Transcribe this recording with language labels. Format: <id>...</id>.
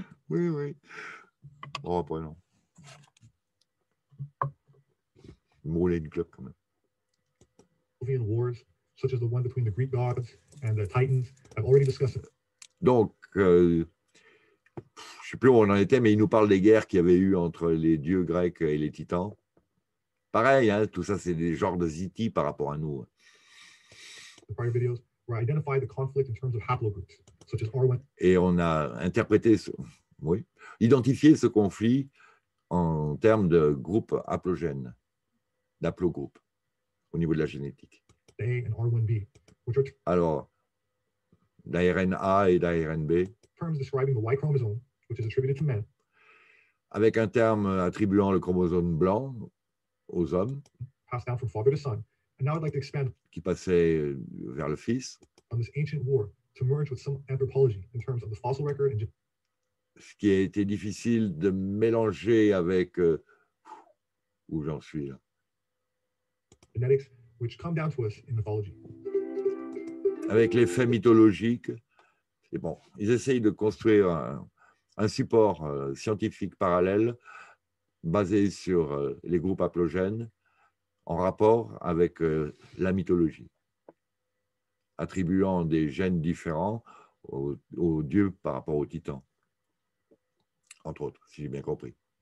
<fr>Oui, oui. Bon, après, non. Mouler une clope, quand même.</fr> <en>Wars, such as the one between the Greek gods and the Titans, I've already discussed it.</en> <fr>Donc, je ne sais plus où on en était, mais il nous parle des guerres qu'il y avait eu entre les dieux grecs et les titans. Pareil, hein, tout ça, c'est des genres de ziti par rapport à nous.</fr> <en>Where I identify the conflict in terms of haplogroups, such as R1.</en> <fr>Et on a interprété, identifié ce conflit en termes de groupes haplogènes, d'haplogroupes, au niveau de la génétique.</fr> <en>A and R1B, which are</en> <fr>alors, d'ARNA et d'ARNB.</fr> <en>Terms describing the Y chromosome, which is attributed to men.</en> <fr>Avec un terme attribuant le chromosome blanc aux hommes.</fr> <en>Passed down from father to son. And now I'd like to expand</en> <fr>qui passait vers le fils.</fr> <en>On this ancient war to merge with some anthropology in terms of the fossil record and</en> <fr>ce qui a été difficile de mélanger avec où j'en suis là.</fr> <en>Genetics which come down to us in mythology.</en> <fr>Avec les faits mythologiques. Et bon, ils essayent de construire un support scientifique parallèle basé sur les groupes haplogènes en rapport avec la mythologie, attribuant des gènes différents aux dieux par rapport aux titans, entre autres, si j'ai bien compris.</fr>